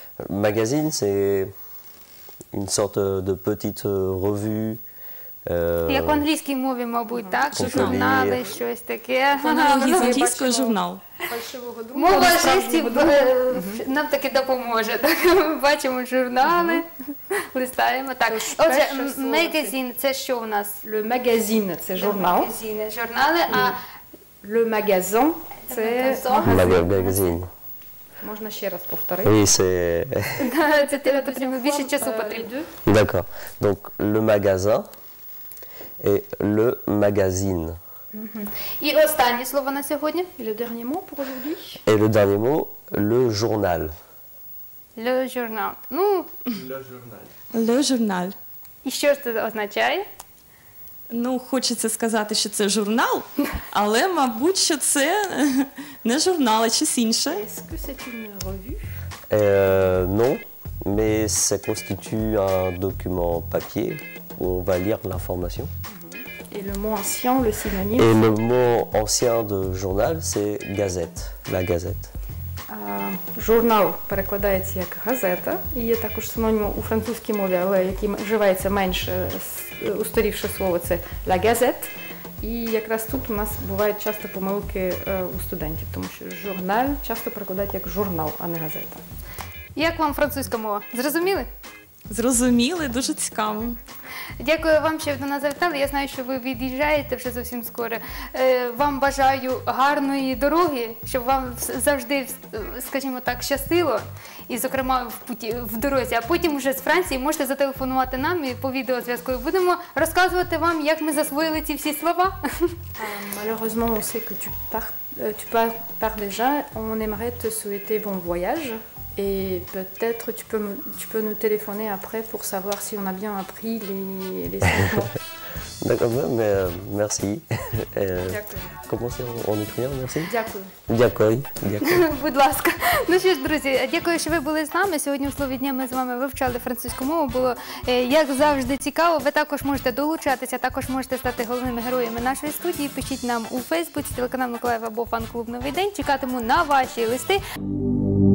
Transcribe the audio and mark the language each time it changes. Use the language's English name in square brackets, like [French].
[French] Magazine, c'est une sorte de petite revue. [Ukrainian] Як в англійській мові, мабуть, так? Журнали, щось таке. Англійський журнал. Мова жестів нам таки допоможе. Так? Бачимо журнали, uh-huh. листаємо. Так. Отже, магазин – це що в нас? [French] Le magazine [Ukrainian] – це журнал. Магазини, журнали, а… [French] Le magazin [Ukrainian] – це магазин. Магазин. Можна ще раз повторити? [French] Oui, c'est… [Ukrainian] це тебе потрібно, більше часу потрібно. [French] D'accord. Donc, le magazin… Et le magazine. Mm-hmm. Et [Ukrainian] останнє слово на сьогодні? [French] Et le dernier mot pour aujourd'hui? Et le dernier mot, le journal. Le journal. Ну. Le journal. Le journal. [Ukrainian] І що ж це означає? Ну, хочеться сказати, що це журнал, але, мабуть, що це не журнал, а щось інше. [French] Est-ce que c'est une revue? Non, mais ça constitue un document papier. On va lire l'information. Et le mot ancien, le synonyme. Et le mot ancien de journal, c'est gazette, la gazette. [Ukrainian] Журнал перекладається як газета, і є також синонім у французькій мові, але який вживається менше устарівше слово це la gazette. І якраз тут у нас бувають часто помилки у студентів, тому що журнал часто перекладають як журнал, а не газета. Як вам французька мова? Зрозуміли? Зрозуміли, дуже цікаво. Дякую вам, що ви до нас завітали. Я знаю, що ви від'їжджаєте вже зовсім скоро. Вам бажаю гарної дороги, щоб вам завжди, скажімо так, щастило. І, зокрема, в дорозі. А потім вже з Франції можете зателефонувати нам і по відеозв'язку. Будемо розказувати вам, як ми засвоїли ці всі слова. [French] Malheureusement, on sait que tu pars déjà. On aimerait te souhaiter bon voyage. Et peut-être tu peux nous téléphoner après pour savoir si on a bien appris les D'accord, mais merci. Comment c'est en italien, merci? [Ukrainian] Дякую. Дякую. Будь ласка. Ну що ж, друзі, дякую, що ви були з нами. Сьогодні в слові дня ми з вами вивчали французьку мову. Було, як завжди, цікаво. Ви також можете долучатися, також можете стати головними героями нашої студії. Пишіть нам у Фейсбуці, телеканал Миколаїв або фан-клуб «Новий день». Чекатиму на ваші листи.